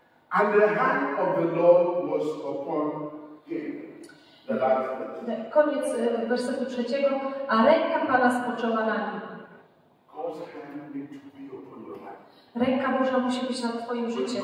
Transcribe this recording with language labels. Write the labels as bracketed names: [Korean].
[English] And the hand of the Lord was upon him. The last verse. [Polish] Koniec wersetu trzeciego. A ręka Pana spoczęła na nim. [English] God's hand needs to be upon your life. [Polish] Ręka Boża musi być nad Twoim życiem.